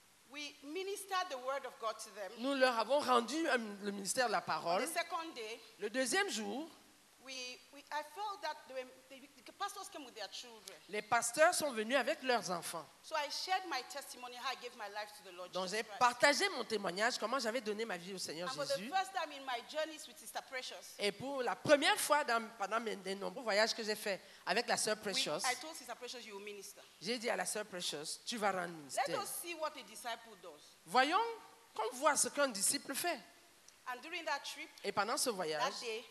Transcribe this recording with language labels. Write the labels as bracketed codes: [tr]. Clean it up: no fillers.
[en] We ministered the word of God to them. [fr] Nous leur avons rendu le ministère de la parole. [en] The second day, [fr] le deuxième jour, [en] I felt that the pastors came with their children. [fr] Les pasteurs sont venus avec leurs enfants. [en] So I shared my testimony how I gave my life to the Lord. [fr] Donc [en] Jesus [fr] j'ai partagé Christ. Mon témoignage comment j'avais donné ma vie au Seigneur [en] and [fr] Jésus. [en] For the first time in my journeys with Sister Precious. [fr] Et pour la première fois pendant mes nombreux voyages que j'ai fait avec la sœur Precious. [en] I told Sister Precious you will minister. [fr] J'ai dit à la sœur Precious, tu vas rendre ministère. [en] Let us see what a disciple does. [fr] Voyons qu'on voit ce qu'un disciple fait. [en] And during that trip, [fr] et pendant ce voyage, [en] that day,